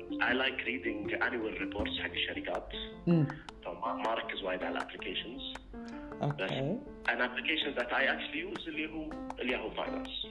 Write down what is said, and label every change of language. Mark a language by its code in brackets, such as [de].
[en] I like reading annual reports [ar] حق الشركات. ما اركز وايد على applications. [en] Okay. An application that I actually use [ar] اللي هو الياهو فاينانس.